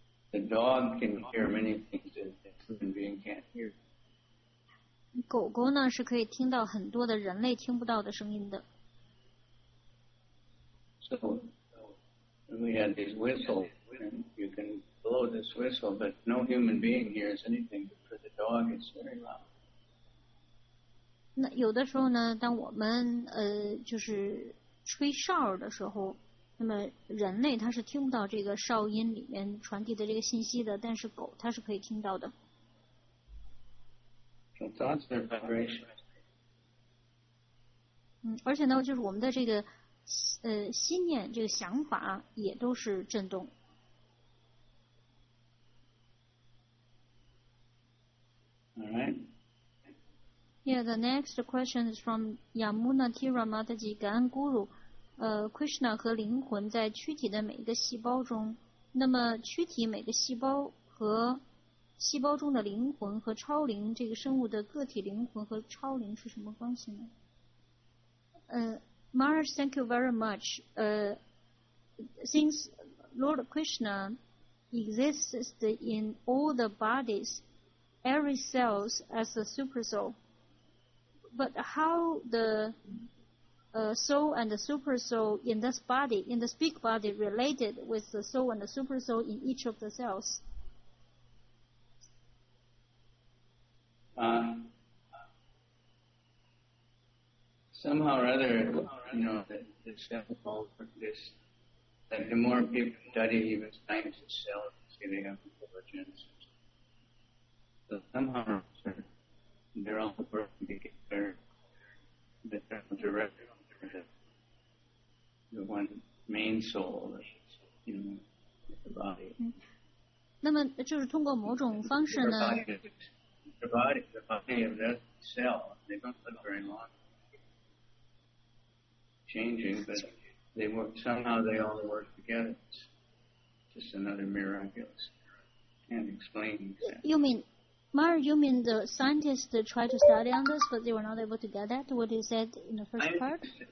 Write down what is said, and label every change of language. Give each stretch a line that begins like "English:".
English: The dog can hear many things that a human being can't hear.
Chinese: 狗狗呢是可以听到很多的人类听不到的声音的。
English: So, we had these whistles, and you can... blow this whistle, but no human being hears anything. But for the dog, it's very loud.
Chinese: 那有的时候呢，当我们就是吹哨的时候，那么人类他是听不到这个哨音里面传递的这个信息的，但是狗它是可以听到的。
English: So thoughts are vibration.
Chinese: 而且呢，就是我们的这个心念，这个想法也都是震动。
English: All right. Yeah, the next question is from Yamuna Tira Mataji, Gan Guru.
Chinese: Krishna 和灵魂在躯体的每一个细胞中，那么躯体每个细胞和细胞中的灵魂和超灵，这个生物的个体灵魂和超灵是什么关系呢？
English: Maharaj, thank you very much. Since Lord Krishna exists in all the bodies, every cell as a super soul, but how the soul and the super soul in this body, in this big body, related with the soul and the super soul in each of the cells? Somehow or other, you know, the cells all work this. That the more people study even science itself, see they have intelligence. So somehow or other, they're all working together. The director of the one main soul, you know, the body.
Chinese: 那么就是通过某种方式呢？
English: The body of that cell, they don't live very long. Changing, but they work, somehow they all work together. It's just another miraculous. Can't explain exactly. You mean the scientists try to study on this, but they were not able to get at what he said in the first part?